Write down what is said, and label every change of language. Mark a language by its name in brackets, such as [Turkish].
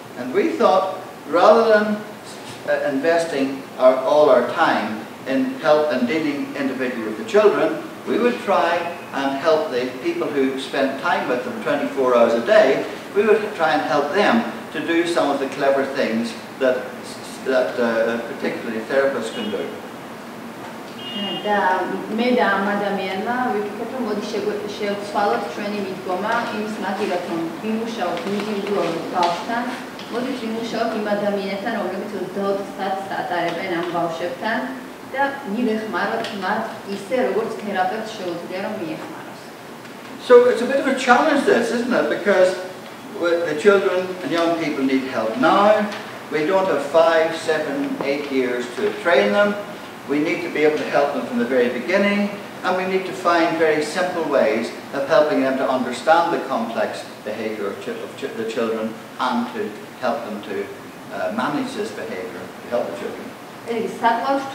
[English] And we thought, rather than investing all our time in help and dealing individually with the children, we would try and help the people who spend time with them 24 hours a day, we would try and help them to do some of the clever things that that particularly therapists can do. [Georgian] და მე და ამ ადამიანმა ვიფიქეთ რომ მოდი შევცვალოთ ჩვენი მიდგომა იმის ნაკლებად რომ ვიმუშაოთ ინდივიდუალურ ბავშვთან, მოდი ვიმუშაოთ იმ ადამიანებთან, რომლებიც 20 წელს ატარებენ ამ ბავშვებთან და მიეხმაროთ მათ ისე როგორც თერაპევტს შეუძლია რომ მიეხმაროს. [English] So it's a bit of a challenge this, isn't it? Because the children and young people need help now. We don't have 5, 7, 8 years to train them. We need to be able to help them from the very beginning, and we need to find very simple ways of helping them to understand the complex behavior of the children and to help them to manage this behavior, to help the children.